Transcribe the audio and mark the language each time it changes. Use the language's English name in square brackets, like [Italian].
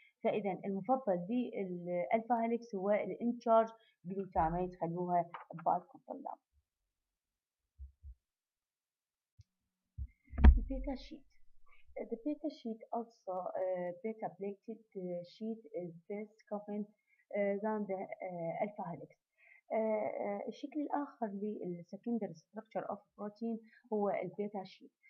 [Arabic] فإذا المفضل للألفا هيليكس هو الإن تشارج جلوتاميت، خلوها ببالكم طلاب. [English] البيتا sheet, the beta sheet also beta plated sheet is less common than the alpha helix. [Arabic] الشكل الآخر للسكندر [English] structure of protein [Arabic] هو البيتا شيت.